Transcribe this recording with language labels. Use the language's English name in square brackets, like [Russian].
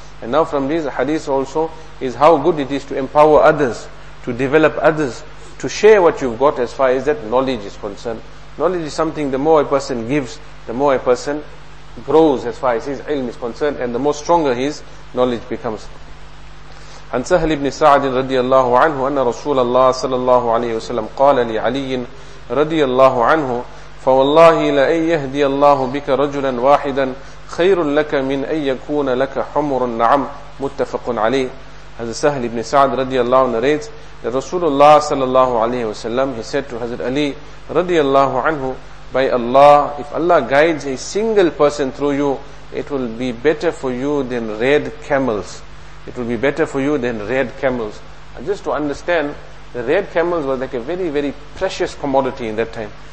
[English] And now from these hadith also is how good it is to empower others, to develop others, to share what you've got as far as that knowledge is concerned. Knowledge is something the more a person gives, the more a person grows as far as his ilm is concerned and the more stronger his knowledge becomes. [Arabic] عن سهل بن سعد رضي الله عنه أن رسول الله صلى الله عليه وسلم قال لعلي رضي الله عنه فوالله لأن يهدي الله بك رجلا واحدا خير لك من أن يكون لك حمر نعم متفق عليه. [English] هذا سهل بن سعد رضي الله عنه narrates that [Arabic] رسول الله صلى الله عليه وسلم [English] he said to Hazrat Ali رضي الله عنه by Allah if Allah guides a single person through you it will be better for you than red camels. It will be better for you than red camels. And just to understand, the red camels were like a very, very precious commodity in that time.